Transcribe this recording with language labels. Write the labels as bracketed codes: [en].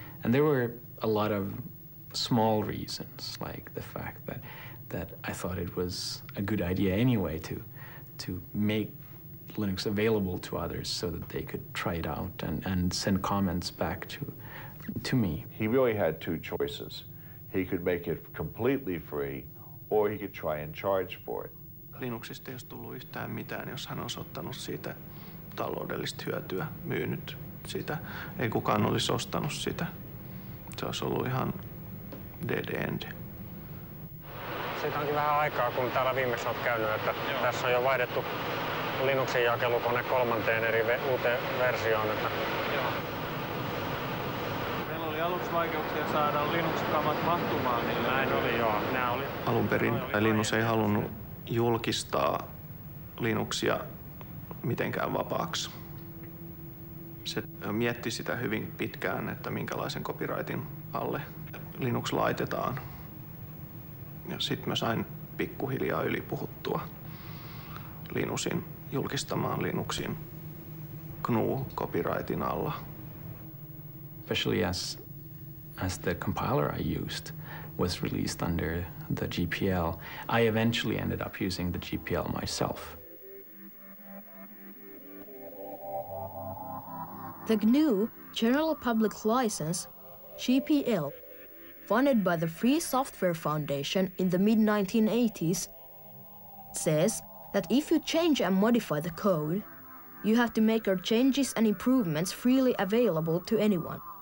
[en] And there were a lot of small reasons, like the fact that I thought it was a good idea anyway to make Linux available to others so that they could try it out and send comments back to me. He really had two choices. He could make it completely free, or he could try and charge for it. [fi] Linuxista ei olisi tullut yhtään mitään, jos hän olisi ottanut siitä taloudellista hyötyä, myynyt sitä. Ei kukaan olisi ostanut sitä. Se olisi ollut ihan [en] dead end. [fi] Siitä onkin vähän aikaa, kun täällä viimeksi olet käynyt, että joo, tässä on jo vaihdettu Linuxin jakelukone kolmanteen eri uuteen versioon. Että joo. Meillä oli aluksi vaikeuksia saada Linux-kamat mahtumaan. Niin näin oli, joo. Nää oli. Alun perin oli Linus ei halunnut julkistaa Linuxia mitenkään vapaaksi. Se mietti sitä hyvin pitkään, että minkälaisen copyrightin alle Linux laitetaan. Ja sit mä sain pikkuhiljaa ylipuhuttua Linusin julkistamaan Linuxin GNU copyrightin alla. [en] Especially as the compiler I used was released under the GPL, I eventually ended up using the GPL myself. The GNU General Public License, GPL, funded by the Free Software Foundation in the mid-1980s, says that if you change and modify the code, you have to make your changes and improvements freely available to anyone.